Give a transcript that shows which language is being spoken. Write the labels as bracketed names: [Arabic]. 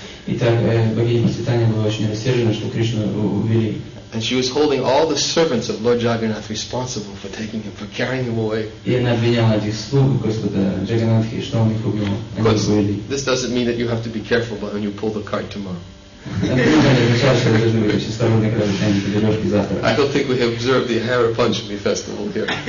[Russian] Итак, богиня процветания была очень рассержена, что Кришну увели. [English] And she was holding all the servants of Lord Jagannath responsible for taking him, for carrying him away. [Russian] И она обвиняла этих слуг Господа Джаганатхи, что он их убил, они увели. [English] This doesn't mean that you have to be careful about when you pull the cart tomorrow. I don't think we have observed the Hare Panchami festival here.